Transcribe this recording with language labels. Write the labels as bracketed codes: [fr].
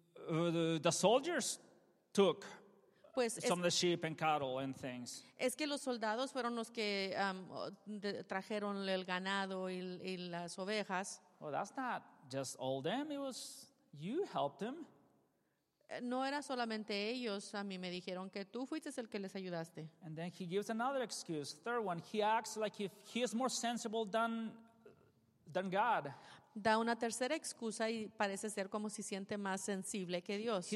[en] Well, the soldiers took some of the sheep and cattle and things. [es] Es que los soldados fueron los que trajeron el ganado y las ovejas. [en] Well, that's not just all them. It was you helped them. [es] No era solamente ellos. A mí me dijeron que tú fuiste el que les ayudaste. [en] And then he gives another excuse. Third one. He acts like if he is more sensible than God. [es] Da una tercera excusa y parece ser como si siente más sensible que Dios.